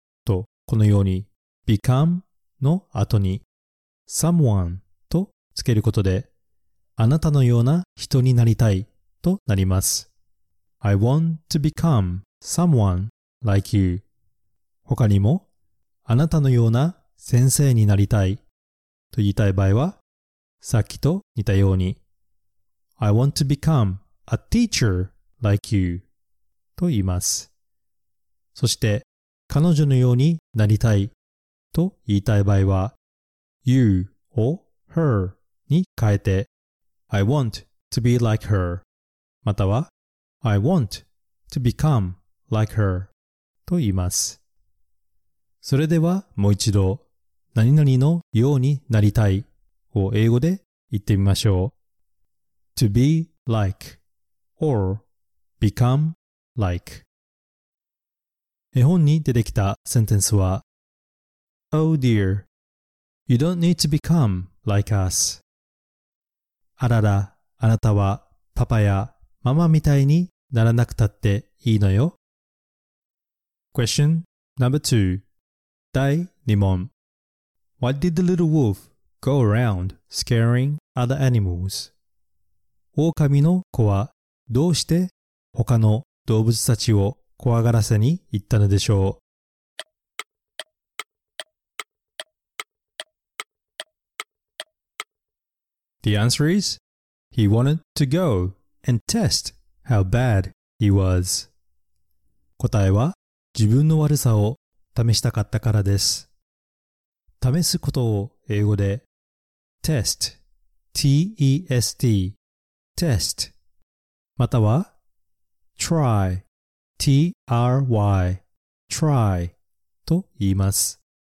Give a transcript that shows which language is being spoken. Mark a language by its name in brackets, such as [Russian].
[Japanese] とこのように、become の後に someone とつけることで、あなたのような人になりたいとなります。 [English] I want to become someone like you [Japanese] 他にも、あなたのような先生になりたいと言いたい場合は、さっきと似たように [English] I want to become a teacher like you [Japanese] と言います。そして彼女のようになりたいと言いたい場合は [English] you を her [Japanese] に変えて [English] I want to be like her [Japanese] または [English] I want to become like her [Japanese] と言います。それではもう一度何々のようになりたいを英語で言ってみましょう。 [English] To be like or become like [Japanese] 絵本に出てきたセンテンスは [English] Oh dear, you don't need to become like us. [Japanese] あらら、あなたはパパやママみたいにならなくたっていいのよ。 [English] Question number two [Japanese] 第2問 [English] What did the little wolf go around scaring? Other animals. [Japanese] 狼の子はどうして他の動物たちを怖がらせに行ったのでしょう? [English] The answer is, He wanted to go and test how bad he was. [Japanese] 答えは自分の悪さを試したかったからです。試すことを英語で [English] test, T-E-S-T, test, [Japanese] または [English] try, T-R-Y, try [Japanese] と言います。